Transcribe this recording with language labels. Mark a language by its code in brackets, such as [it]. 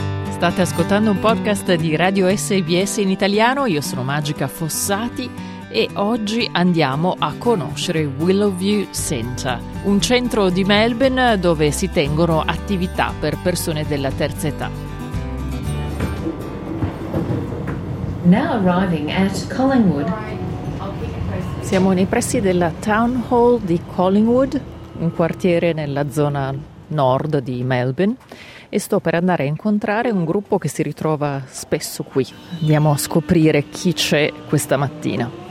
[it] State ascoltando un podcast di Radio SBS in italiano. Io sono Magica Fossati e oggi andiamo a conoscere Willowview Centre, un centro di Melbourne dove si tengono attività per persone della terza età. [en] Now arriving at Collingwood. [it] Siamo nei pressi della Town Hall di Collingwood, un quartiere nella zona nord di Melbourne, e sto per andare a incontrare un gruppo che si ritrova spesso qui. Andiamo a scoprire chi c'è questa mattina.